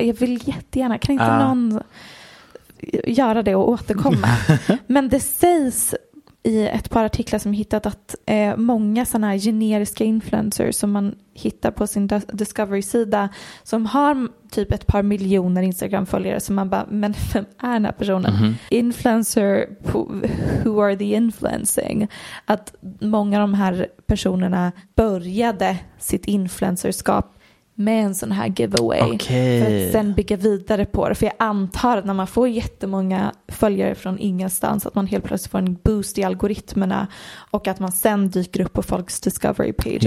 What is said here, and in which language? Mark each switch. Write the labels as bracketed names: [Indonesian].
[Swedish] Jag vill jättegärna, kan inte någon göra det och återkomma? Men det sägs i ett par artiklar som hittat att många sådana här generiska influencers som man hittar på sin Discovery-sida som har typ ett par miljoner Instagram-följare, som man bara, men vem är den här personen? [English] Influencer, who are the influencing? [Swedish] Att många av de här personerna började sitt influencerskap med en sån här giveaway. [English] Okay. [Swedish] För att sen bygga vidare på det. För jag antar att när man får jättemånga följare från ingenstans, att man helt plötsligt får en boost i algoritmerna och att man sen dyker upp på folks discovery page.